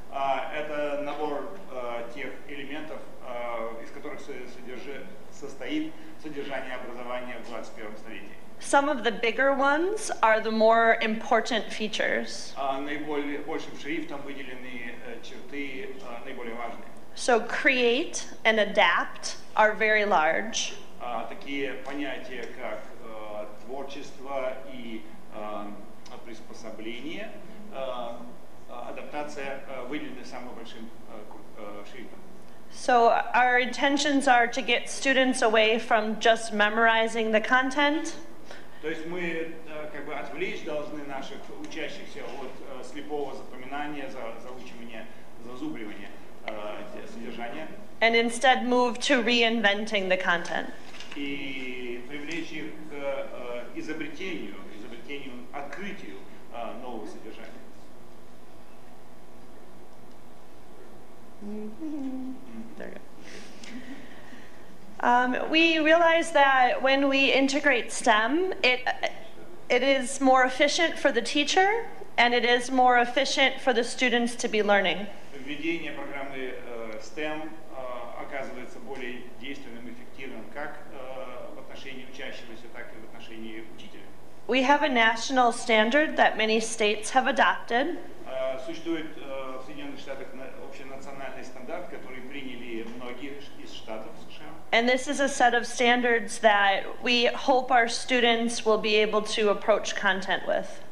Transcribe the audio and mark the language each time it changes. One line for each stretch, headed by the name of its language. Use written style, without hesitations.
Russian: Это набор тех элементов, из которых состоит содержание образования в 21 столетии.
English: Some of the bigger ones are the more important features.
Russian: Наибольшим шрифтом выделены черты наиболее важные.
English: So create and adapt are very large.
Russian: Такие понятия, как творчество и приспособление, адаптация выделены самым большим шрифтом.
English: So our intentions are to get students away from just memorizing the content.
Russian: То есть мы как бы отвлечь должны наших учащихся от слепого запоминания, заучивания, зазубривания содержания.
English: And instead move to reinventing the content.
Russian: И привлечь их к изобретению, открытию нового содержания.
English: There you go. We realize that when we integrate STEM, it is more efficient for the teacher, and it is more efficient for the students to be learning.
Russian: Введение программы STEM оказывается более действенным, эффективным как в отношении учащегося, так и в отношении учителя.
English: We have a national standard that many states have adopted.
Russian: Существует в Соединенных Штатах общенациональный стандарт, который приняли многие из штатов.
English: And this is a set of standards that we hope our students will be able to approach content with.